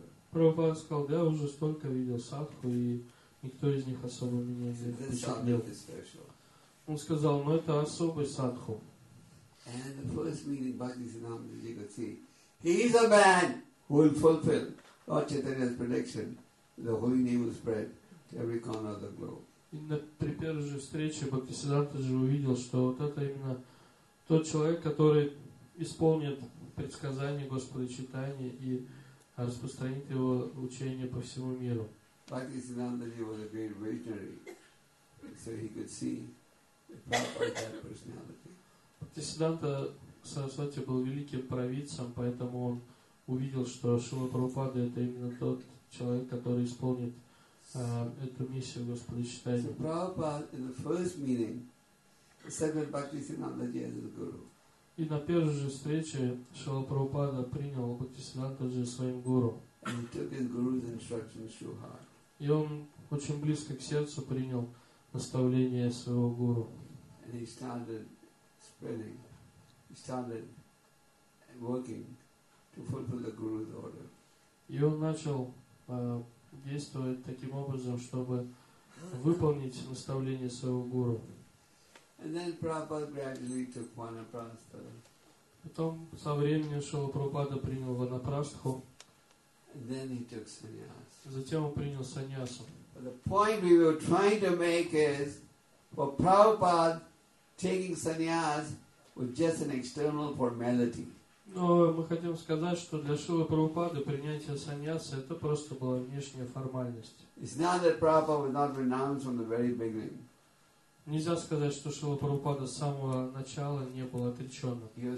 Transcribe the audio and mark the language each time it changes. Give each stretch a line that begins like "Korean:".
Russian: Прабхупада сказал, я уже столько видел садху, и никто из них особо меня не впечатлил. Он сказал, но это особый садху.
English: And the first meeting Bhaktisiddhanta Ji could see, he is a man who will fulfill Lord Chaitanya's prediction, the holy name will spread. Every corner of the globe.
Russian: И при первой же встрече Бхактисиддханта Ji увидел, что вот это именно тот человек, который исполнит предсказание Господа Чайтаньи и распространит его учение по всему миру.
English: Бхактисиддханта Ji was a great visionary, so he could see the power of that personality.
Russian: Бхактисиддханта Сарасвати был великим провидцем, поэтому он увидел, что Шрила Прабхупада это именно тот человек, который исполнит эту миссию Господа Чайтаньи.
English: So Prabhupada in the first meeting said that Bhaktisiddhanta Ji is the guru.
Russian: И на первой же встрече Шрила Прабхупада принял Бхактисиддханта Ji своим гуру.
English: And he took his guru's instructions to heart.
Russian: И он очень близко к сердцу принял наставление своего гуру.
English: And he started spreading, he started working to fulfill the guru's order.
Russian: И он начал действовать таким образом, чтобы выполнить наставление своего гуру.
English: And then Prabhupada gradually took Vanaprastha.
Russian: Потом со временем Шрила Прабхупада принял Ванапрастху.
English: And then he took sannyas.
Russian: Затем он принял саньясу.
English: But the point we were trying to make is, for Prabhupada, taking sannyas was just an external formality.
Russian: Но мы хотим сказать, что для Шрилы Прабхупады принятие саньяса это просто была внешняя формальность. Нельзя сказать, что Шрила Прабхупада с самого начала не был отреченным.